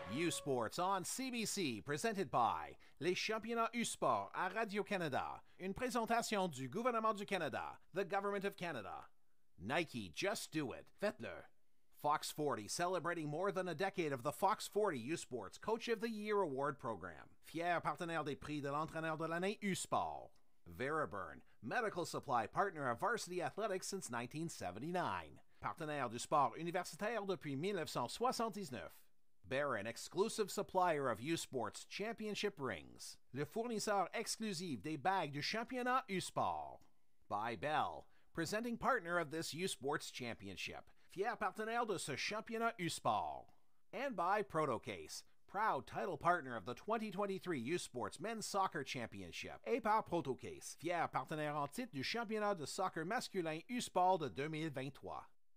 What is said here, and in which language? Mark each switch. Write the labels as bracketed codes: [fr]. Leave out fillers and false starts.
[en] Sports on CBC, presented by [fr] Les Championnats U-Sport à Radio-Canada. Une présentation du gouvernement du Canada, [en] the Government of Canada. Nike, just do it. [fr] Faites-le. [en] Fox 40, celebrating more than a decade of the Fox 40 U-Sports Coach of the Year Award Program. [fr] Fier partenaire des prix de l'entraîneur de l'année U-Sport. [en] Veriburn, medical supply partner of Varsity Athletics since 1979. [fr] Partenaire du sport universitaire depuis 1979. [en] Baron, exclusive supplier of U-Sports Championship Rings. [fr] Le fournisseur exclusif des bagues du championnat U-Sport. [en] By Bell, presenting partner of this U-Sports Championship. [fr] Fier partenaire de ce championnat U-Sport. [en] And by ProtoCase, proud title partner of the 2023 U-Sports Men's Soccer Championship. [fr] Et par Protocase, fier partenaire en titre du championnat de soccer masculin U-Sport de 2023.